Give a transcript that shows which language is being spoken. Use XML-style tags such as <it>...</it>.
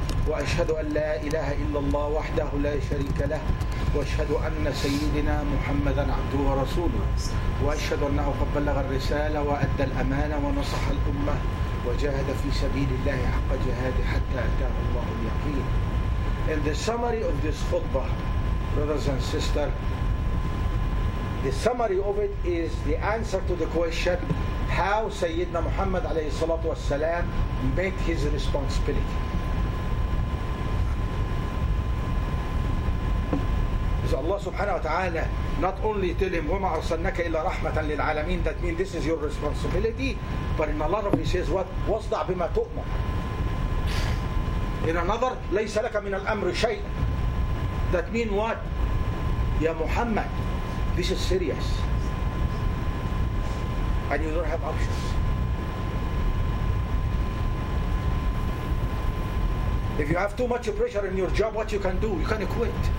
<ar>وأشهد أن لا إله إلا الله وحده لا شريك له وأشهد أن سيدنا محمدا عبده ورسوله وأشهد أنه قد بلغ الرسالة وأدى الأمانة ونصح الأمة وجاهد في سبيل الله حق جهاده حتى أتاه الله اليقين.</ar> <en>In the summary of this khutbah, brothers and sisters, the summary of it is the answer to the question how</en> <ar>سيدنا محمد عليه الصلاة والسلام</ar> <en>met his responsibility. because Allah subhanahu wa ta'ala not only tell him,</en> <ar>وَمَا أَرْسَلْنَكَ إِلَّا رَحْمَةً لِلْعَالَمِينَ,</ar> <en>that means this is your responsibility. But in another, he says, what?</en> <ar>وَصْدَعْ بِمَا تُؤْمَرْ.</ar> <en>In another,</en> <ar>لَيْسَ لَكَ مِنَ الْأَمْرِ شَيْءٍ.</ar> <en>That means what? Ya Muhammad, this is serious. And you don't have options. If you have too much pressure in your job, what you can do? You can quit.</en>